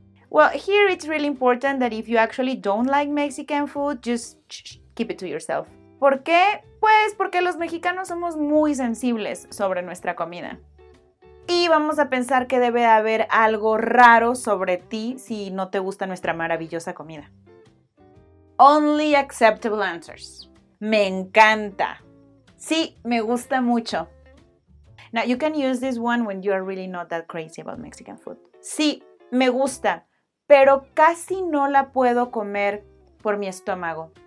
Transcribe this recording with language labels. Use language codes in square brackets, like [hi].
[en] Well, here it's really important that if you actually don't like Mexican food, just keep it to yourself. [es] ¿Por qué? Pues porque los mexicanos somos muy sensibles sobre nuestra comida. Y vamos a pensar que debe haber algo raro sobre ti si no te gusta nuestra maravillosa comida. [en] Only acceptable answers. [es] Me encanta. Sí, me gusta mucho. [en] Now, you can use this one when you are really not that crazy about Mexican food. [es] Sí, me gusta, pero casi no la puedo comer por mi estómago.